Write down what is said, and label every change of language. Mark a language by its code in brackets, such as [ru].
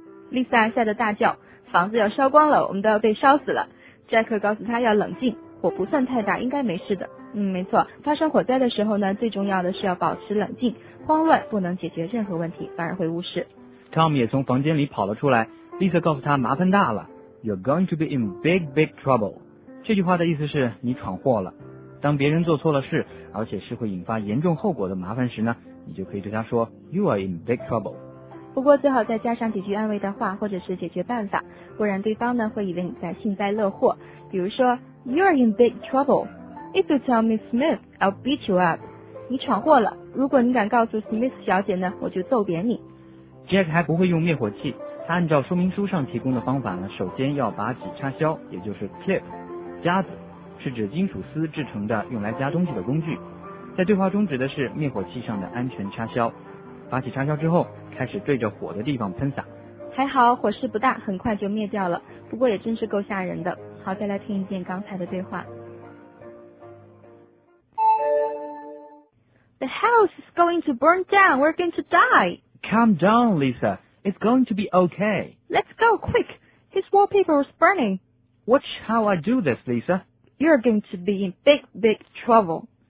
[zh] Lisa 吓得大叫，房子要烧光了，我们都要被烧死了。 Jack 告诉他要冷静，火不算太大，应该没事的。没错，发生火灾的时候呢，最重要的是要保持冷静，慌乱不能解决任何问题，反而会误事。 Tom 也从房间里跑了出来， Lisa 告诉他麻烦大了， [en] You're going to be in big big trouble. [zh] 这句话的意思是你闯祸了。当别人做错了事，而且是会引发严重后果的麻烦时呢，你就可以对他说 [en] You are in big trouble. [zh] 不过最好再加上几句安慰的话或者是解决办法，不然对方呢会以为你在幸灾乐祸。比如说 [en] You're in big trouble. If you tell Miss Smith, I'll beat you up. [zh] 你闯祸了，如果你敢告诉 Smith 小姐呢，我就揍扁你。 Jack 还不会用灭火器，他按照说明书上提供的方法呢，首先要把几叉销，也就是 clip 夹子，是指金属丝制成的用来夹东西的工具，在对话中指的是灭火器上的安全叉销。拔起插销之后，开始对着火的地方喷洒。还好火势不大，很快就灭掉了，不过也真是够吓人的。好，再来听一遍刚才的对话。 [en] The house is going to burn down. We're going to die. Calm down, Lisa. It's going to be okay. Let's go, quick. His wallpaper is burning. Watch how I do this, Lisa. You're going to be in big, big trouble.